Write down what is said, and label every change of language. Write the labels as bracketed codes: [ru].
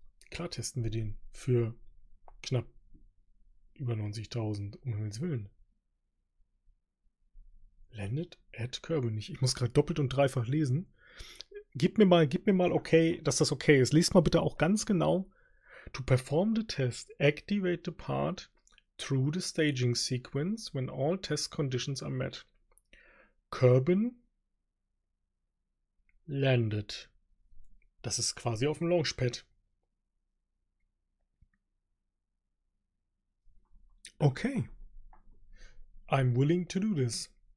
[de] Klar testen wir den für knapp über 90.000, um Himmels Willen. Landed at Kerbin nicht. Ich muss gerade doppelt und dreifach lesen. Gib mir mal okay, dass das okay ist. Lest mal bitte auch ganz genau. [en] To perform the test, activate the part through the staging sequence when all test conditions are met. Kerbin landed. [de] Das ist quasi auf dem Launchpad. [en] Okay. I'm willing to do this.